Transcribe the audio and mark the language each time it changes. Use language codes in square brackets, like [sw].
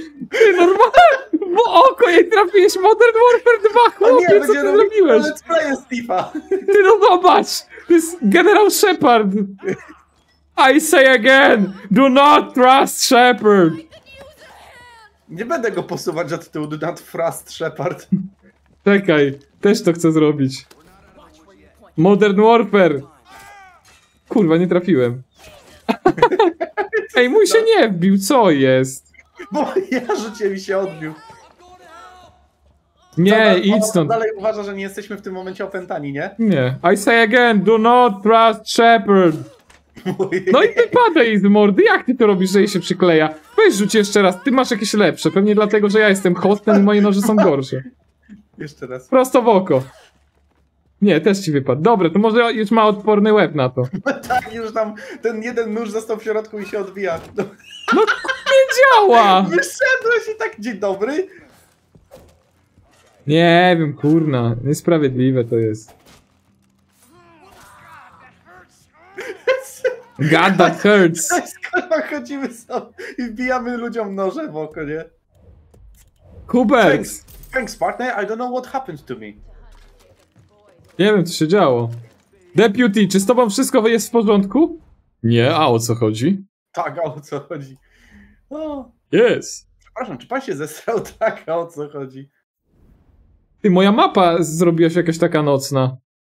[pl] Ty normalnie, bo oko jej trafiłeś. Modern Warfare 2, chłopie, co ty zrobiłeś? [en] Let's play Steve'a. [pl] Ty no zobacz, to jest generał Shepard. [en] I say again, do not trust Shepard. [pl] Nie będę go posuwać od tyłu, [en] do not trust Shepard. [pl] Czekaj, też to chcę zrobić. Modern Warfare. Kurwa, nie trafiłem. Ej, mój się nie wbił, co jest? Bo ja życie mi się odbił. Nie, idź stąd. Dalej uważa, że nie jesteśmy w tym momencie opętani, nie? Nie. [en] I say again, do not trust Shepard. [pl] No i wypadaj z mordy, jak ty to robisz, że jej się przykleja? Weź rzuć jeszcze raz, ty masz jakieś lepsze. Pewnie dlatego, że ja jestem hostem i moje noże są gorsze. Jeszcze raz. Prosto w oko. Nie, też ci wypadł. Dobra, to może już ma odporny łeb na to. Tak, już tam ten jeden nóż został w środku i się odbija. No nie działa! Wyszedłeś i tak, dzień dobry. Nie wiem, kurna, niesprawiedliwe to jest. [en] God, that hurts! [pl] Skoro chodzimy sobie i wbijamy ludziom noże w oko, nie? Kubek! [en] Thanks, partner, I don't know what happened to me. [pl] Nie wiem, co się działo. Deputy, czy z tobą wszystko jest w porządku? Nie, a o co chodzi? Tak, a o co chodzi? O. Jest! Przepraszam, czy pan się zesrał? Tak, a o co chodzi? Ty, moja mapa zrobiła się jakaś taka nocna.